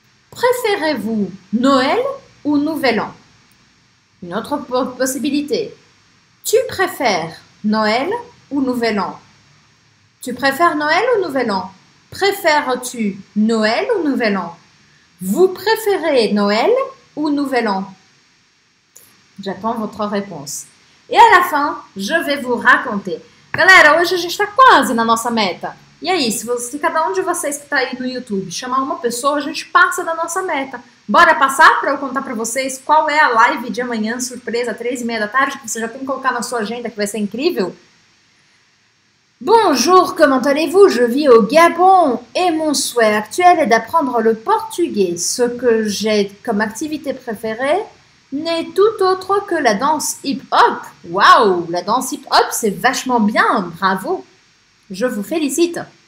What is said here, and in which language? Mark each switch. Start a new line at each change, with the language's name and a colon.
French: Préférez-vous Noël ou Nouvel An? Une autre possibilité, tu préfères Noël ou Nouvel An? Tu préfères Noël ou Nouvel An? Préfères-tu Noël ou Nouvel An? Vous préférez Noël ou Nouvel An? J'attends votre réponse. Et à la fin, je vais vous raconter.
Portuguese: Galera, hoje a gente tá quase na nossa meta. E aí, se cada um de vocês que tá aí no YouTube chamar uma pessoa, a gente passa da nossa meta. Bora passar para eu contar para vocês qual é a live de amanhã, surpresa, 3:30 PM, que você já tem que colocar na sua agenda, que vai ser incrível.
French: Bonjour, comment allez-vous? Je vis au Gabon et mon souhait actuel est d'apprendre le portugais. Ce que j'ai comme activité préférée n'est tout autre que la danse hip-hop. Waouh, la danse hip-hop, c'est vachement bien, bravo. Je vous félicite.